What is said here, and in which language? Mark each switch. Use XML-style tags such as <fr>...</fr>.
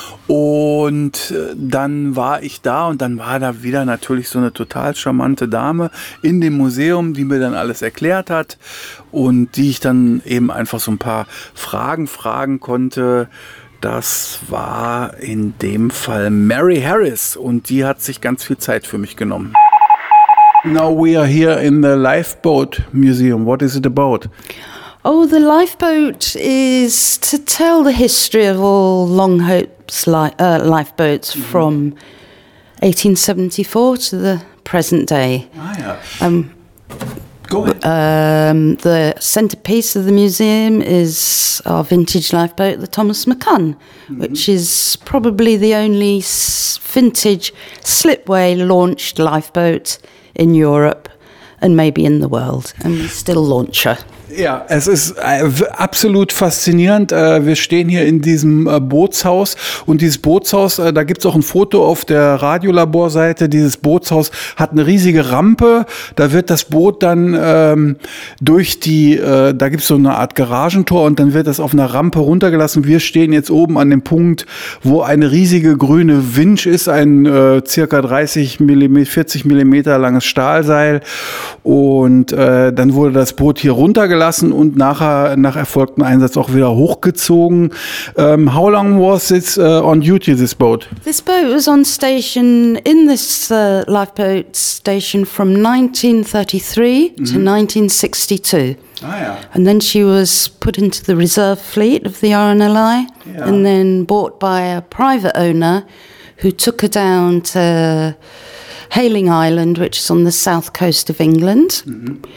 <de>Und dann war ich da und dann war da wieder natürlich so eine total charmante Dame in dem Museum, die mir dann alles erklärt hat und die ich dann eben einfach so ein paar Fragen fragen konnte. Das war in dem Fall Mary Harris und die hat sich ganz viel Zeit für mich genommen.</de> <en>Now we are here in the Lifeboat Museum. What is it about? Oh, the lifeboat is to tell the history of all Longhope's lifeboats mm-hmm. from 1874 to the present day. Ah, yeah. Go ahead. The centerpiece of the museum is our vintage lifeboat, the Thomas McCunn, mm-hmm. which is probably the only vintage slipway launched lifeboat in Europe and maybe in the world, and we still launch her.</en> <de>Ja, es ist absolut faszinierend. Wir stehen hier in diesem Bootshaus und dieses Bootshaus, da gibt es auch ein Foto auf der Radiolaborseite. Dieses Bootshaus hat eine riesige Rampe. Da wird das Boot dann durch die, da gibt es so eine Art Garagentor und dann wird das auf einer Rampe runtergelassen. Wir stehen jetzt oben an dem Punkt, wo eine riesige grüne Winch ist, ein circa 30 mm, 40 mm langes Stahlseil. Und dann wurde das Boot hier runtergelassen und nachher nach erfolgtem Einsatz auch wieder hochgezogen.</de> <en>How long was it on duty, this boat? This boat was on station in this lifeboat station from 1933 to 1962.</en> <de>Ah, ja.</de> <en>And then she was put into the reserve fleet of the RNLI, ja, and then bought by a private owner who took her down to Hayling Island, which is on the south coast of England. Mm-hmm.</en>